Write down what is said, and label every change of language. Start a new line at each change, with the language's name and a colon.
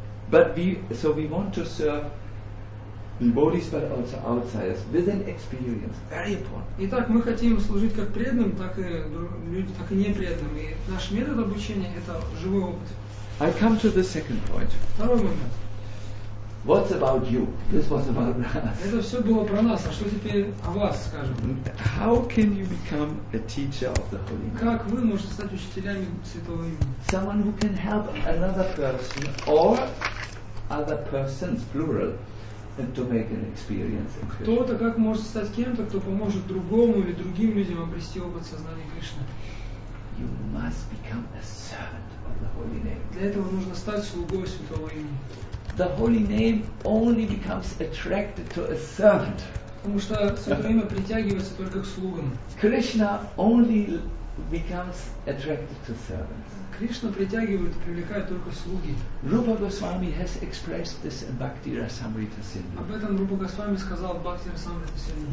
English: So we want to serve devotees, but also outsiders with an experience. Very important.
Russian: Итак, мы хотим служить как преданным, так и непреданным. И наш метод обучения это живой опыт.
English: I come to the second point. What's about you? This was about us.
Russian: Это все было про нас. А что теперь о вас, скажем?
English: How can you become a teacher of the Holy Name?
Russian: Как вы можете стать учителями Святого Имени?
English: Someone who can help another person or other persons, plural, and to make an experience.
Russian: Кто-то как может стать кем-то, кто поможет другому или другим людям обрести опыт сознания Кришны?
English: You must become a servant.
Russian: Для этого нужно стать слугой Святого Имени.
English: The Holy Name only becomes attracted to a servant.
Russian: Потому что Святое Имя притягивается только к слугам.
English: Krishna only becomes attracted to servants.
Russian: Кришна притягивает и привлекает только слуги.
English: Rupa Goswami has expressed this in Bhakti Rasamrita Sindhu.
Russian: Об этом Рупа Госвами сказал в Бхакти Расамрита Синдху.